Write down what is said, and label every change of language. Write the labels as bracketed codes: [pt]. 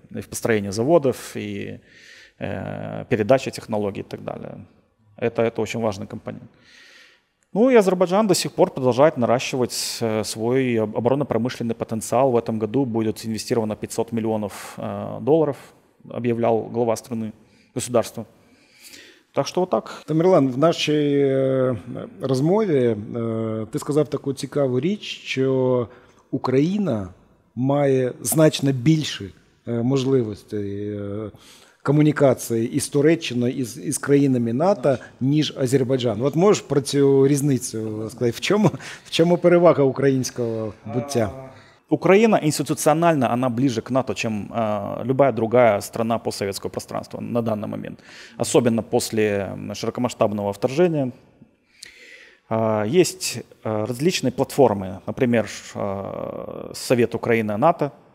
[ru] И в построении заводов, и передаче технологий и так далее. Это очень важный компонент. Ну и Азербайджан до сих пор продолжает наращивать свой оборонно-промышленный потенциал. В этом году будет инвестировано 500 миллионов долларов, объявлял глава страны, государства. Так что вот так. [uk] Тамерлан, в нашій розмові ти сказав таку цікаву річ, що Україна має значно більше можливостей комунікації із Туреччиною, із країнами НАТО, ніж Азербайджан. От можеш про цю різницю сказати? В чому перевага українського буття? [ru] Украина институционально, она ближе к НАТО, чем любая другая страна постсоветского пространства на данный момент. Особенно после широкомасштабного вторжения. Есть различные платформы, например, Совет Украины-НАТО.